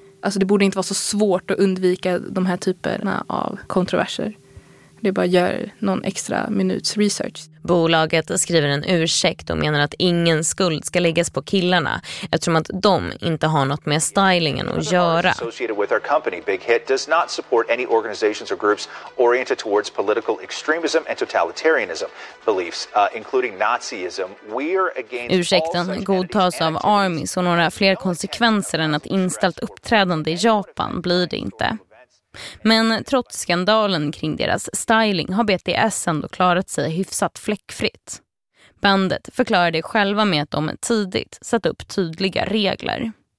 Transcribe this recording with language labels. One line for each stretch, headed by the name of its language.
Swedish: Alltså det borde inte vara så svårt att undvika de här typerna av kontroverser. Det bara gör någon extra minuts research. Bolaget skriver en ursäkt och menar att ingen skuld ska läggas på killarna eftersom att de inte har något med stylingen att göra.
English: Associated with our company, Big Hit does not support any organizations or groups oriented towards political extremism and totalitarianism beliefs, including Nazism. We are against.
Swedish: Ursäkten godtas av Army, så några fler konsekvenser än att inställt uppträdande i Japan blir det inte. Men trots skandalen kring deras styling har BTS ändå klarat sig hyfsat fläckfritt. Bandet förklarar det själva med att de tidigt satt upp tydliga regler.